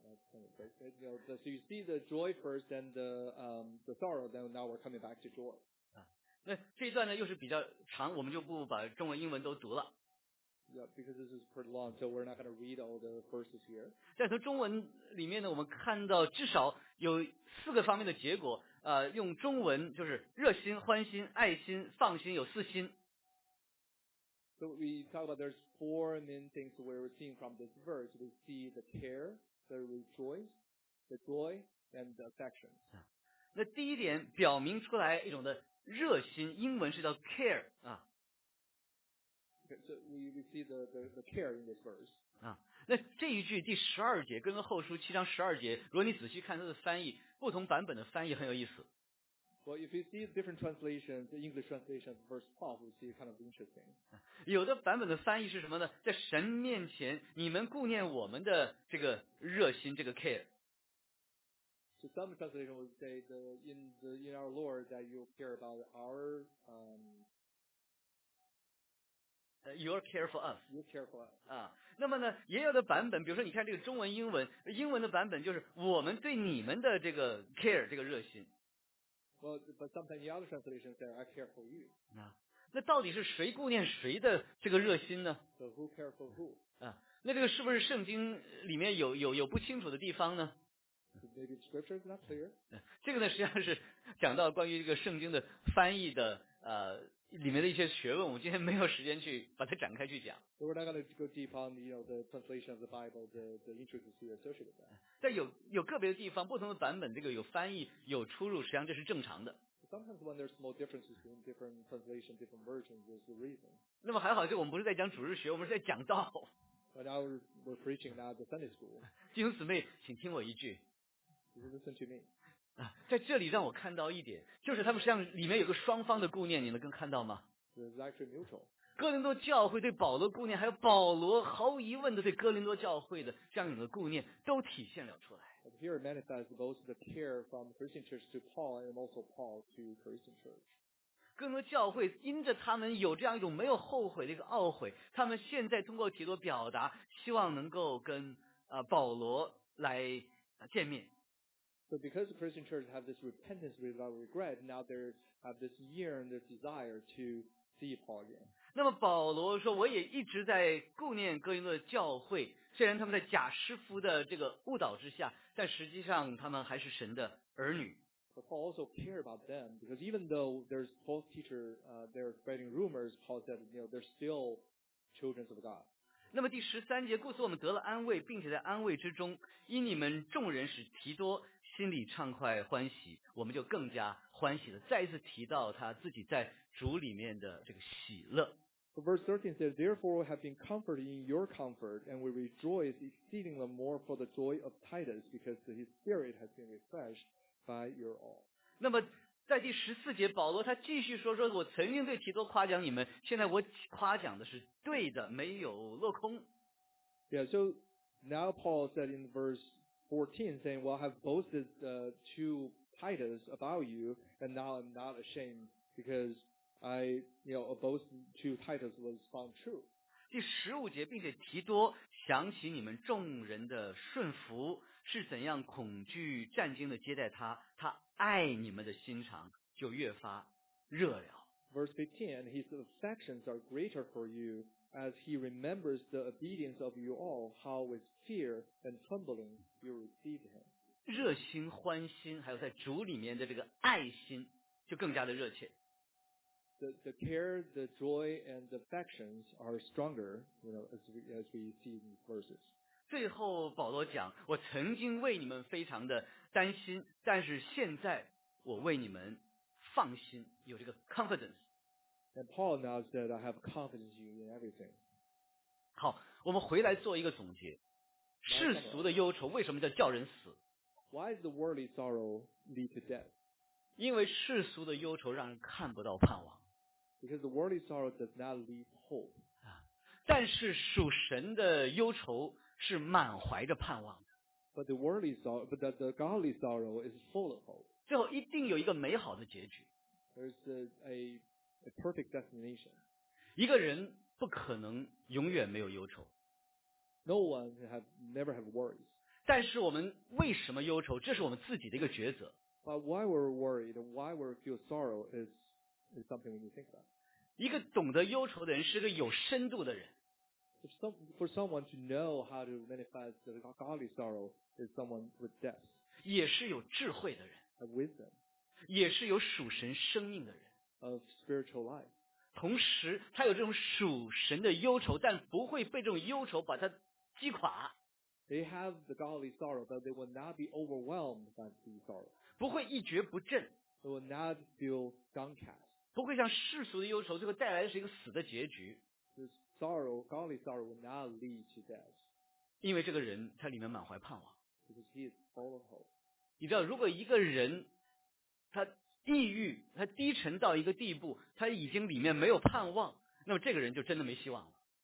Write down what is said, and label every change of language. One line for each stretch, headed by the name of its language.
English: So you see the joy first and the sorrow, then now we're coming back to joy.
Chinese: 那这段呢又是比较长，我们就不把中文英文都读了。
English: Yeah, because this is pretty long, so we're not going to read all the verses here.
Chinese: 但从中文里面呢，我们看到至少有四个方面的结果。用中文就是热心、欢心、爱心、放心，有四心。
English: So we talk about there's four main things we're seeing from this verse. We see the care, the rejoice, the joy, and the affection.
Chinese: 那第一点表明出来一种的热心，英文是叫 care 啊。
English: Okay, so we see the care in this verse.
Chinese: 啊，那这一句第十二节，跟后书七章十二节，如果你仔细看它的翻译，不同版本的翻译很有意思。
English: Well, if you see different translations, the English translation of verse 12, we see kind of interesting.
Chinese: 有的版本的翻译是什么呢？在神面前，你们顾念我们的这个热心，这个 care。
English: So some translation would say in our Lord that you care about our your care for us. You care for us.
Chinese: 啊，那么呢，也有的版本，比如说你看这个中文英文，英文的版本就是我们对你们的这个 care 这个热心。
English: Well, but sometimes the other translation says I care for you.
Chinese: 啊，那到底是谁顾念谁的这个热心呢？
English: So who care for who?
Chinese: 啊，那这个是不是圣经里面有不清楚的地方呢？
English: Maybe scripture is not clear.
Chinese: 这个呢实际上是讲到关于这个圣经的翻译的里面的一些学问，我今天没有时间去把它展开去讲。
English: So we're not going to go deep on, you know, the translation of the Bible, the intricacies associated with that.
Chinese: 但有个别的地方不同的版本这个有翻译有出入，实际上这是正常的。
English: Sometimes when there's small differences between different translations, different versions, there's a reason.
Chinese: 那么还好就我们不是在讲主日学，我们是在讲道。
English: But now we're preaching at the Sunday school.
Chinese: 弟兄姊妹请听我一句。
English: Listen to me.
Chinese: 在这里让我看到一点，就是他们实际上里面有个双方的顾念，你能更看到吗？
English: It's actually mutual.
Chinese: 哥林多教会对保罗顾念，还有保罗毫无疑问的对哥林多教会的这样一个顾念，都体现了出来。
English: Here it manifests both the care from Christian church to Paul and also Paul to Christian church.
Chinese: 哥林多教会因着他们有这样一种没有后悔的一个懊悔，他们现在通过提多表达，希望能够跟保罗来见面。
English: So because the Christian church have this repentance without regret, now they have this yearn, this desire to see Paul again.
Chinese: 那么保罗说，我也一直在顾念哥林多的教会，虽然他们在假师傅的这个误导之下，但实际上他们还是神的儿女。
English: But Paul also cared about them because even though there's false teacher, they're spreading rumors. Paul said, you know, they're still children of God.
Chinese: 那么第十三节，故此我们得了安慰，并且在安慰之中，因你们众人使提多心里畅快欢喜，我们就更加欢喜了。再一次提到他自己在主里面的这个喜乐。
English: Verse 13 says, "Therefore we have been comforted in your comfort, and we rejoice exceedingly more for the joy of Titus, because his spirit has been refreshed by your all."
Chinese: 那么在第十四节，保罗他继续说我曾经对提多夸奖你们，现在我夸奖的是对的，没有落空。
English: Yeah, so now Paul said in verse 14, saying, "Well, I have boasted to Titus about you, and now I'm not ashamed because I, you know, a boast to Titus was found true."
Chinese: 第十五节，并且提多想起你们众人的顺服是怎样恐惧战惊的接待他，他爱你们的心肠就越发热了。
English: Verse 15, his affections are greater for you as he remembers the obedience of you all, how with fear and trembling you received him.
Chinese: 热心欢心还有在主里面的这个爱心就更加的热切。
English: The care, the joy, and the affections are stronger, you know, as we see in verses.
Chinese: 最后保罗讲，我曾经为你们非常的担心，但是现在我为你们放心，有这个 confidence。
English: And Paul now said, "I have confidence in you in everything."
Chinese: 好，我们回来做一个总结。世俗的忧愁为什么叫人死？
English: Why is the worldly sorrow lead to death?
Chinese: 因为世俗的忧愁让人看不到盼望。
English: Because the worldly sorrow does not lead hope.
Chinese: 但是属神的忧愁是满怀着盼望的。
English: But the worldly sorrow, but the godly sorrow is full of hope.
Chinese: 最后一定有一个美好的结局。
English: There's a perfect destination.
Chinese: 一个人不可能永远没有忧愁。
English: No one never have worries.
Chinese: 但是我们为什么忧愁，这是我们自己的一个抉择。
English: But why we're worried, why we feel sorrow is something we need to think about.
Chinese: 一个懂得忧愁的人是个有深度的人。
English: For someone to know how to manifest the godly sorrow is someone with depth.
Chinese: 也是有智慧的人。
English: A wisdom.
Chinese: 也是有属神生命的人。
English: Of spiritual life.
Chinese: 同时他有这种属神的忧愁，但不会被这种忧愁把他击垮。
English: They have the godly sorrow, but they will not be overwhelmed by the sorrow.
Chinese: 不会一蹶不振。
English: They will not feel downcast.
Chinese: 不会像世俗的忧愁，最后带来的是一个死的结局。
English: The sorrow, godly sorrow, will not lead to death.
Chinese: 因为这个人他里面满怀盼望。
English: Because he is full of hope.
Chinese: 你知道，如果一个人他抑郁，他低沉到一个地步，他已经里面没有盼望，那么这个人就真的没希望了。